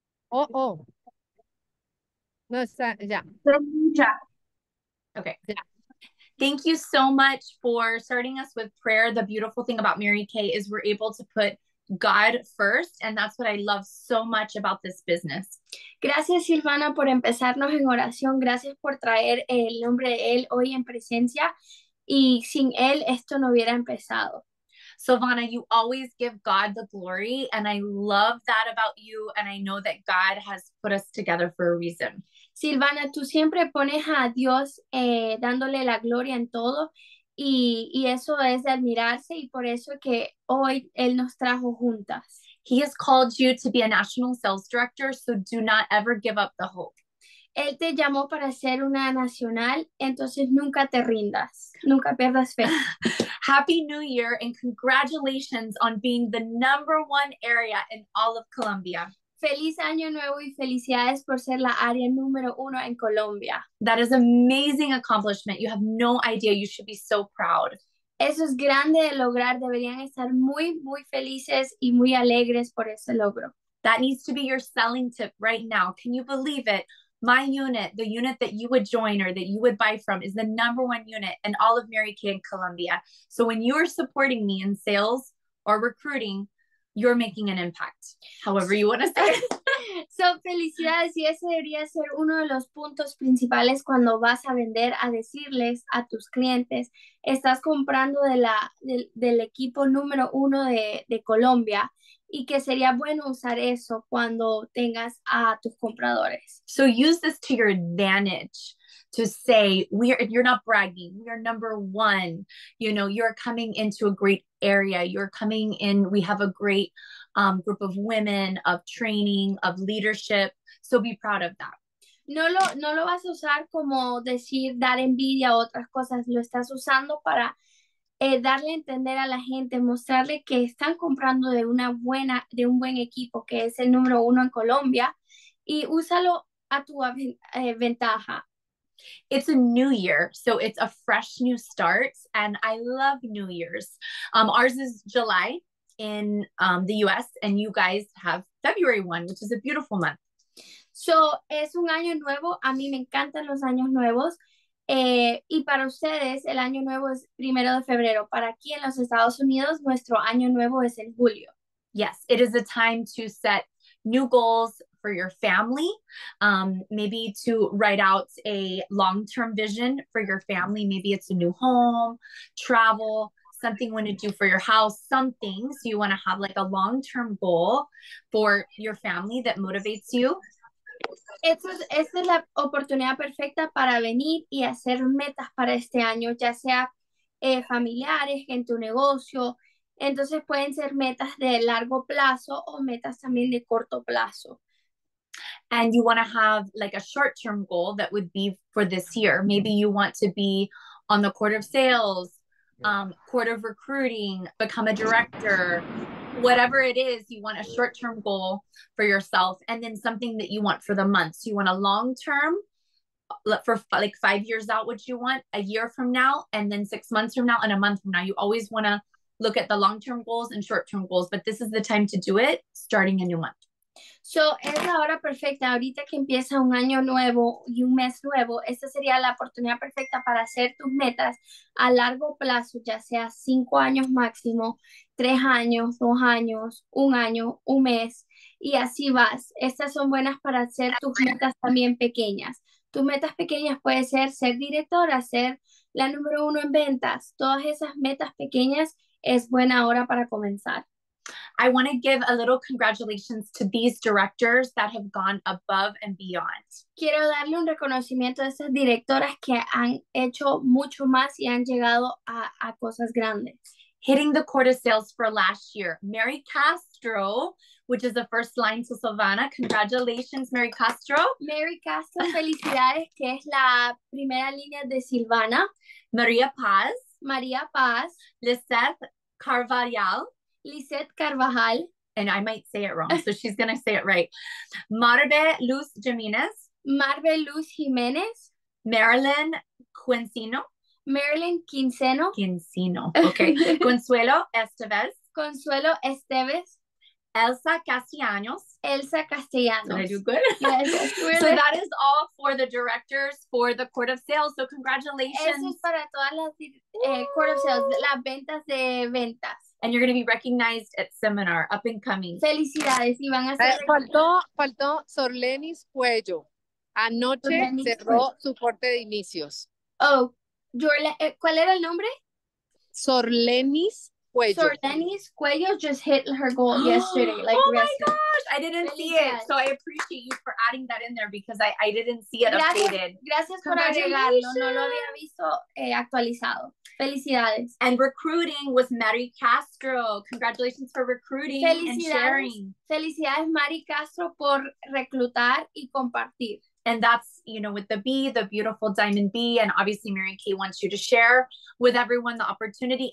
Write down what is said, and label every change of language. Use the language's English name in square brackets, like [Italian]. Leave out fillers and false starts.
[English] Oh, oh. No, yeah. Okay. Yeah. Thank you so much for starting us with prayer. The beautiful thing about Mary Kay is we're able to put God first, and that's what I love so much about this business. [Spanish] Gracias, Silvana, por empezarnos en oración. Gracias por traer el nombre de Él hoy en presencia. Y sin Él, esto no hubiera empezado. [English] Silvana, you always give God the glory, and I love that about you, and I know that God has put us together for a reason. [Spanish] Silvana, tú siempre pones a Dios dándole la gloria en todo, y eso es de admirarse, y por eso que hoy Él nos trajo juntas. [English] He has called you to be a national sales director, so do not ever give up the hope. [Spanish] Él te llamó para ser una nacional, entonces nunca te rindas, nunca pierdas fe. [English] Happy New Year and congratulations on being the number one area in all of Colombia. [Spanish] Feliz año nuevo y felicidades por ser la área número uno en Colombia. [English] That is an amazing accomplishment. You have no idea. You should be so proud. [Spanish] Eso es grande de lograr. Deberían estar muy, muy felices y muy alegres por ese logro. [English] That needs to be your selling tip right now. Can you believe it? My unit, the unit that you would join or that you would buy from, is the number one unit in all of Mary Kay in Colombia. So when you are supporting me in sales or recruiting, you're making an impact, however you want to say it. [Spanish] So, felicidades, y ese debería ser uno de los puntos principales cuando vas a vender, a decirles a tus clientes, estás comprando del equipo número uno de Colombia, y que sería bueno usar eso cuando tengas a tus compradores. [English] So use this to your advantage to say, you're not bragging, you're number one, you know, you're coming into a great area, you're coming in, we have a great group of women, of training, of leadership, so be proud of that. [Spanish] No lo vas a usar como decir, dar envidia o otras cosas, lo estás usando para darle a entender a la gente, mostrarle que están comprando de una buena, de un buen equipo, que es el número uno en Colombia, y úsalo a tu ventaja. [English] It's a new year, so it's a fresh new start, and I love New Year's. Ours is July in the US, and you guys have February 1, which is a beautiful month. [Spanish] So, es un año nuevo. A mí me encantan los años nuevos. Y para ustedes, el año nuevo es primero de febrero. Para aquí en los Estados Unidos, nuestro año nuevo es en julio. [English] Yes, it is a time to set new goals for your family, maybe to write out a long-term vision for your family. Maybe it's a new home, travel, something you want to do for your house, something. So you want to have like a long-term goal for your family that motivates you. [Spanish] Esta es la oportunidad perfecta para venir y hacer metas para este año, ya sea familiares, en tu negocio. Entonces pueden ser metas de largo plazo o metas también de corto plazo. [English] And you want to have like a short-term goal that would be for this year. Maybe you want to be on the court of sales, court of recruiting, become a director. Whatever it is, you want a short-term goal for yourself and then something that you want for the month. So you want a long-term, for like 5 years out, what you want a year from now and then 6 months from now and a month from now. You always want to look at the long-term goals and short-term goals, but this is the time to do it, starting a new month. [Spanish] So, es la hora perfecta. Ahorita que empieza un año nuevo y un mes nuevo, esta sería la oportunidad perfecta para hacer tus metas a largo plazo, ya sea 5 años máximo, 3 años, 2 años, 1 año, 1 mes, y así vas. Estas son buenas para hacer tus metas también pequeñas. Tus metas pequeñas puede ser directora, ser la número uno en ventas. Todas esas metas pequeñas es buena hora para comenzar. [English] I want to give a little congratulations to these directors that have gone above and beyond. [Spanish] Quiero darle un reconocimiento a esas directoras que han hecho mucho más y han llegado a cosas grandes. [English] Hitting the court of sales for last year, Mary Castro, which is the first line to Silvana. Congratulations, Mary Castro. [Spanish] Mary Castro, felicidades, que es la primera línea de Silvana. Maria Paz. Maria Paz. Lizeth Carvajal. Lizeth Carvajal. [English] And I might say it wrong, so she's going to say it right. Marbe Luz Jimenez. Marbe Luz Jimenez. Marilyn Quincino. Marilyn Quinceno. Quincino, okay. Consuelo Esteves. Consuelo Esteves. Elsa Castellanos. Elsa Castellanos. Did I do good? Yes. So that is all for the directors for the Court of Sales, so congratulations. [Spanish] Eso es para todas las Court of Sales, las ventas de ventas. [English] And you're going to be recognized at seminar, up and coming. [Spanish] Felicidades, y van a ser... Faltó Sorlenis Cuello. Anoche Sorlenis cerró Cuello. Su corte de inicios. Oh, ¿cuál era el nombre? Sorlenis Cuello. [English] Sorlenis Cuello just hit her goal yesterday. Like, oh my yesterday. Gosh, I didn't see it. So I appreciate you for adding that in there because I didn't see it [Spanish] gracias, [English] updated. [Spanish] Gracias por agregarlo. No lo había visto actualizado. Felicidades. [English] And recruiting was Mary Castro. Congratulations for recruiting and sharing. [Spanish] Felicidades, Mary Castro, por reclutar y compartir. [English] And that's, you know, with the bee, the beautiful diamond bee. And obviously Mary Kay wants you to share with everyone the opportunity.